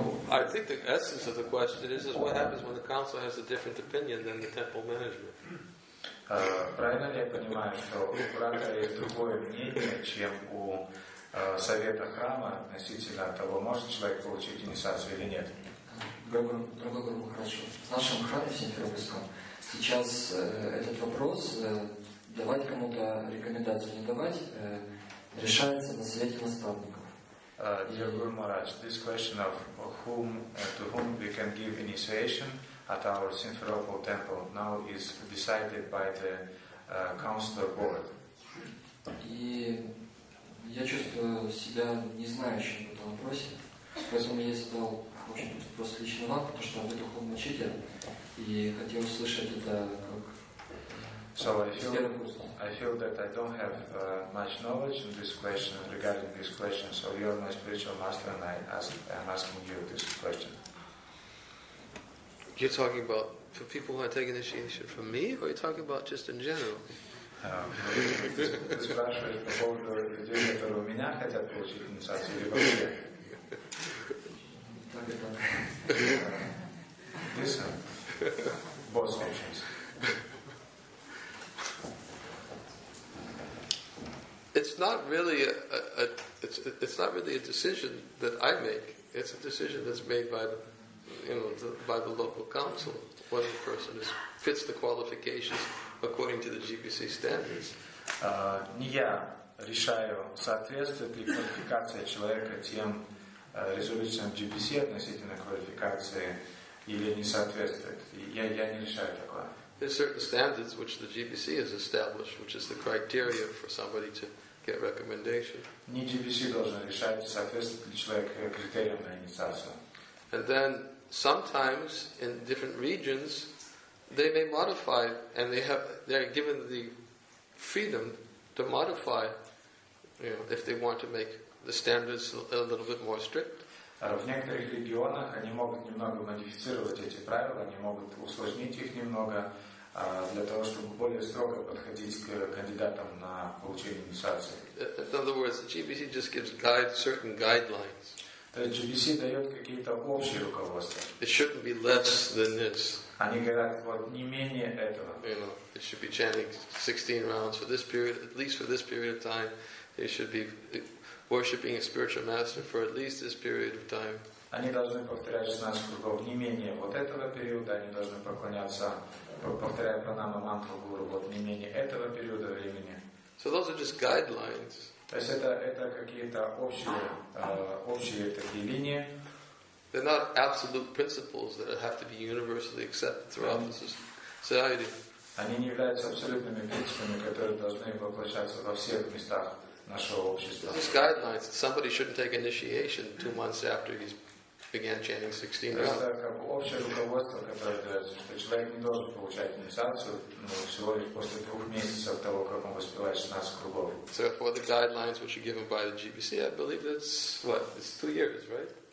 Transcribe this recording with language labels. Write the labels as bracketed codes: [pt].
[en] I think the essence of the question is what happens when the council has a different opinion than the temple management? [ru] Правильно ли я понимаю, что у брата есть другое мнение, чем у совета храма относительно того, может человек получить инициацию или нет? Другой грубо хорошо. В нашем храме в Симферопольском сейчас этот вопрос давать кому-то рекомендацию не давать решается на совете наставников. Дорогой Мараш, [en] this question of to whom we can give initiation at our Simferopol temple now is decided by the counselor board. [ru] И я чувствую себя не знающим в этом вопросе, поэтому я задал. В общем, просто лично вам, потому что вы духовный учитель, и хотел услышать это как. [en] So I feel that I don't have much knowledge in this question regarding this question. So you are my spiritual master, and I'm asking you this question. You're talking about for people who are taking initiation from me, or are you talking about just in general? Listen, both options. It's it's not really a decision that I make. It's a decision that's made by the, you know, by the local council, whether the person is, fits the qualifications according to the GBC standards. [ru] Не я решаю, соответствует ли квалификация человека тем резолюциям GBC относительно квалификации или не соответствует. Я не решаю такое. [en] There's certain standards which the GBC has established, which is the criteria for somebody to get recommendation. [ru] Не GBC должен решать, соответствует ли человек критериям на инициацию. [en] And then sometimes in different regions, they may modify, and they're given the freedom to modify, you know, if they want to make the standards a little bit more strict. [ru] В некоторых регионах они могут немного модифицировать эти правила, они могут усложнить их немного для того, чтобы более строго подходить к кандидатам на получение инициации. [en] In other words, the GBC just gives certain guidelines. [ru] То есть GBC дает какие-то общие руководства. [en] It shouldn't be less than this. [ru] Они говорят, вот не менее этого. [en] You know, they should be chanting 16 rounds for this period, at least for this period of time. They should be worshipping a spiritual master for at least this period of time. [ru] Они должны повторять 16 кругов не менее вот этого периода. Они должны поклоняться, повторяя пранама мантру гуру, вот не менее этого периода времени. [en] So those are just guidelines. [ru] То есть это какие-то общие такие линии. [en] They're not absolute principles that have to be universally accepted throughout the society. [ru] Они не являются абсолютными принципами, которые должны воплощаться во всех местах нашего общества. [en] These guidelines, somebody shouldn't take initiation 2 months after he's began chanting 16 rounds. [ru] Это как бы общее руководство, которое дается, что человек не должен получать инициацию, ну, всего лишь после 2 месяцев того, как он воспевает 16 кругов. [en] So for the guidelines which are given by the GBC, I believe that's, what, it's 2 years, right?